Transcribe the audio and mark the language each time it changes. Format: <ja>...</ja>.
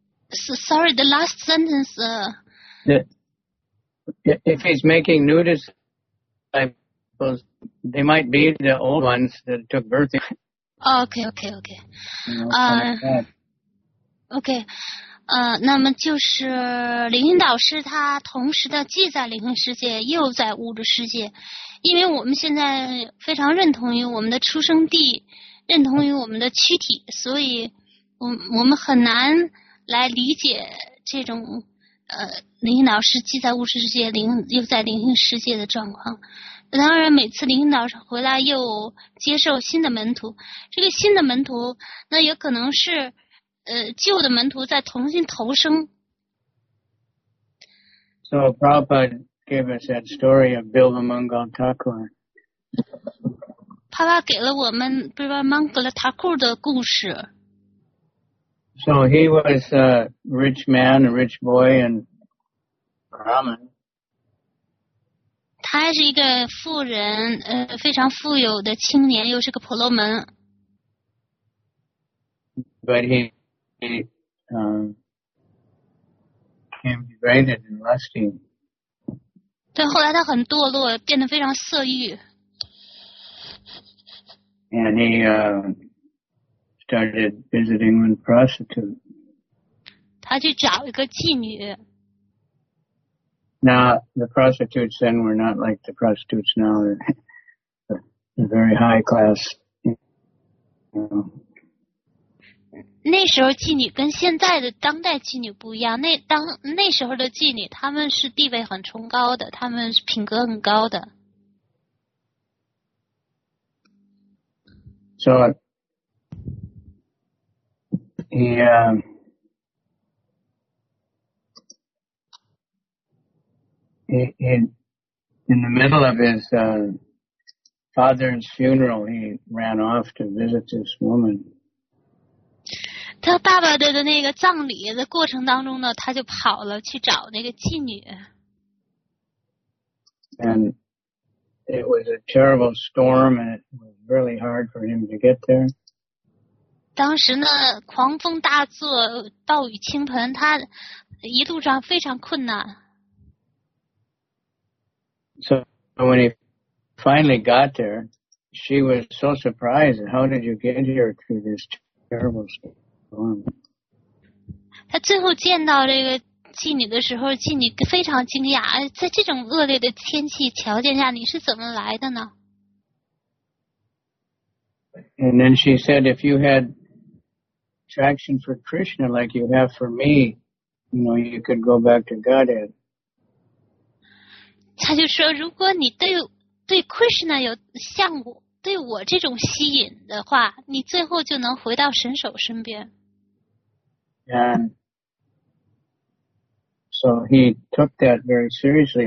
<en>Sorry, the last sentence. If he's making new disciples, they might be the old ones that took birth. Okay.</en> <zh>那么就是灵性导师他同时的既在灵性世界又在物质世界，因为我们现在非常认同于我们的出生地，认同于我们的躯体，所以我们很难来理解这种灵性导师既在物质世界又在灵性世界的状况。当然每次灵性导师回来又接受新的门徒，这个新的门徒那也可能是旧的门徒在重新投生。</zh> <en>So Prabhupada gave us that story of Bilba Mangal Thakur.</en> <zh>帕帕给了我们 Bilba Mangal Thakur 的故事。</zh> <en>So he was a rich man, a rich boy and Brahman.</en> <zh>他是一个富人非常富有的青年，又是个婆罗门。</zh> <en>But he became degraded and lusty.</en> <zh>对，后来他很堕落，变得非常色欲。</zh> <en>And he started visiting with prostitutes.</en> <zh>他去找一个妓女。</zh> <en>Now, the prostitutes then were not like the prostitutes now, they're very high class. You</en> <zh>know. 那时候妓女跟现在的当代妓女不一样，那时候的妓女他们是地位很崇高的，他们是品格很高的。</zh> <en>So, in the middle of his father's funeral, he ran off to visit this woman.</en> <zh>他爸爸的那个葬礼的过程当中呢，他就跑了去找那个妓女。</zh> <en>And it was a terrible storm, and it was really hard for him to get there.</en> <zh>当时呢，狂风大作，暴雨倾盆，他一路上非常困难。</zh> <en>So when he finally got there, she was so surprised. How did you get here through this terrible storm?</en> <zh>他最后见到这个妓女的时候，妓女非常惊讶，在这种恶劣的天气条件下，你是怎么来的呢？</zh> <en>And then she said, if you had attraction for Krishna like you have for me, you know, you could go back to Godhead.</en> <zh>他就说，如果你对 Krishna 有像我对我这种吸引的话，你最后就能回到神手身边。</zh> <en>And so he took that very seriously.</en>